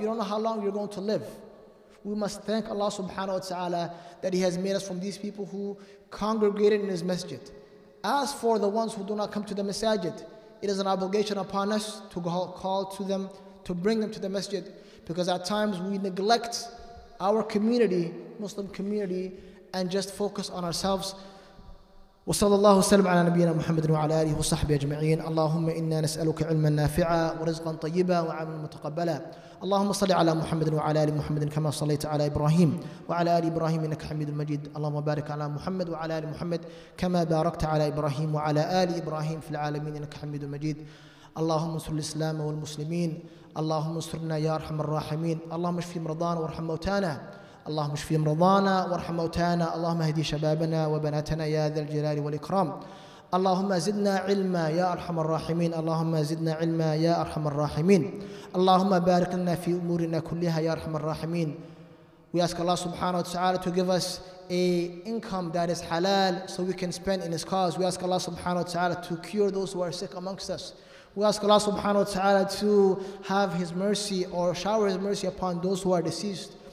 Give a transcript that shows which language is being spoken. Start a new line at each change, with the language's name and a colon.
English: You don't know how long you're going to live. We must thank Allah subhanahu wa ta'ala that He has made us from these people who congregated in His masjid. As for the ones who do not come to the masajid, it is an obligation upon us to call to them, to bring them to the masjid, because at times we neglect our community, Muslim community, and just focus on ourselves.
Arabic: وصلى الله وسلم على نبينا محمد وعلى آله وصحبه أجمعين اللهم إنا نسألك علما نافعا ورزقا طيبا وعملا متقبلا اللهم صل على محمد وعلى آل محمد كما صليت على إبراهيم وعلى آل إبراهيم إنك حميد مجيد اللهم بارك على محمد وعلى آل محمد كما باركت على إبراهيم وعلى آل إبراهيم في العالمين إنك حميد مجيد اللهم انصر الإسلام والمسلمين اللهم انصرنا يا أرحم الراحمين اللهم اشف مرضانا وارحم موتانا اللهم اشف مرضانا وارحم موتانا اللهم اهدي شبابنا وبناتنا يا ذا الجلال والإكرام اللهم زدنا علما يا أرحم الراحمين
English: اللهم زدنا علما يا أرحم الراحمين اللهم بارك لنا في أمورنا كلها يا أرحم الراحمين We ask Allah subhanahu wa ta'ala to give us a income that is halal so we can spend in His cause. We ask Allah subhanahu wa ta'ala to cure those who are sick amongst us. We ask Allah subhanahu wa ta'ala to have His mercy or shower His mercy upon those who are deceased.